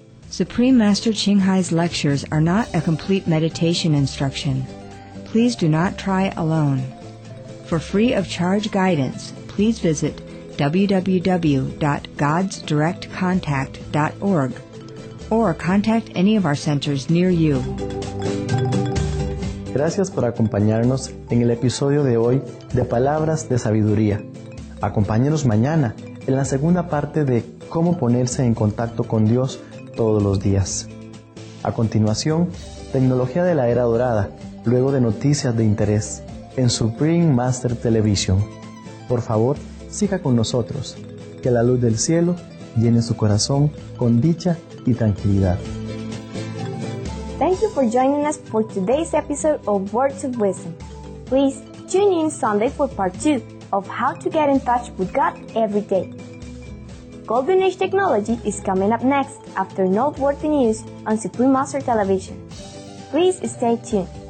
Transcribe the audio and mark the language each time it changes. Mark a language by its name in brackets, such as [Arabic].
[English] Supreme Master Qinghai's lectures are not a complete meditation instruction. Please do not try alone. For free of charge guidance, please visit www.godsdirectcontact.org or contact any of our centers near you. [Spanish] Gracias por acompañarnos en el episodio de hoy de Palabras de Sabiduría. Acompáñenos mañana en la segunda parte de Cómo ponerse en contacto con Dios todos los días. A continuación, tecnología de la era dorada, luego de noticias de interés en Supreme Master Television. Por favor, siga con nosotros. Que la luz del cielo llene su corazón con dicha y tranquilidad. [English] Thank you for joining us for today's episode of Words of Wisdom. Please tune in Sunday for part 2 of How to Get in Touch with God Every Day. Golden Age Technology is coming up next after noteworthy news on Supreme Master Television. Please stay tuned.